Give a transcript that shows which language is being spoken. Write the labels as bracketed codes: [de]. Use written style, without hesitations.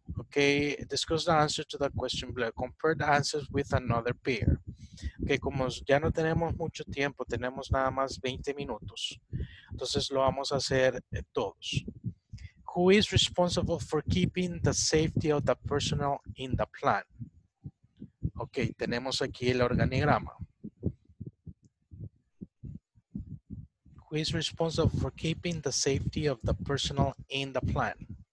[en] Okay, discuss the answer to the question below. Compare the answers with another peer. [es] Okay, como ya no tenemos mucho tiempo, tenemos nada más 20 minutos. Entonces lo vamos a hacer todos. [en] Who is responsible for keeping the safety of the personnel in the plant? [es] Okay, tenemos aquí el organigrama. [en] Who is responsible for keeping the safety of the personnel in the plant?